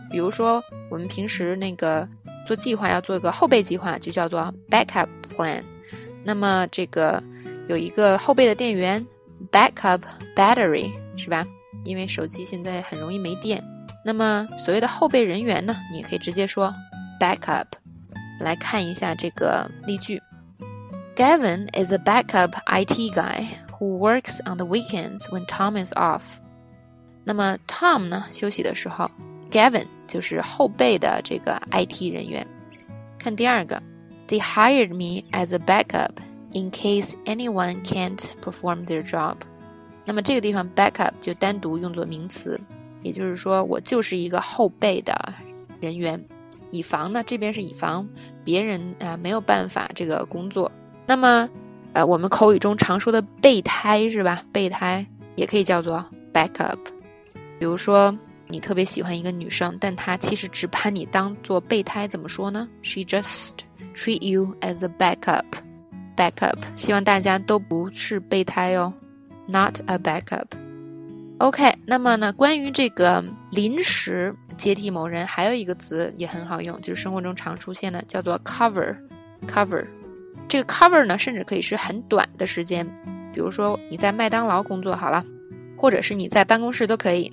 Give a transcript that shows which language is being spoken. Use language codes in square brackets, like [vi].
[zh] 比如说我们平时那个做计划要做一个后备计划，就叫做 backup plan。那么这个有一个后备的电源 backup battery， 是吧？因为手机现在很容易没电。那么所谓的后备人员呢，你也可以直接说 backup。来看一下这个例句， [en] Gavin is a backup IT guy who works on the weekends when Tom is off。 [zh] 那么 Tom 呢休息的时候， Gavin 就是后备的这个 IT 人员。看第二个， [en] They hired me as a backup in case anyone can't perform their job。 [zh] 那么这个地方 backup 就单独用作名词，也就是说我就是一个后备的人员，以防呢，这边是以防别人，没有办法这个工作。那么我们口语中常说的备胎是吧，备胎也可以叫做 backup。比如说你特别喜欢一个女生，但她其实只把你当做备胎，怎么说呢？ [en] She just treat you as a backup。 [zh] backup 希望大家都不是备胎哦， [en] not a backup。 [zh] OK， 那么呢，关于这个临时接替某人，还有一个词也很好用，就是生活中常出现的，叫做 cover。 cover， 这个 cover 呢，甚至可以是很短的时间，比如说你在麦当劳工作好了，或者是你在办公室都可以。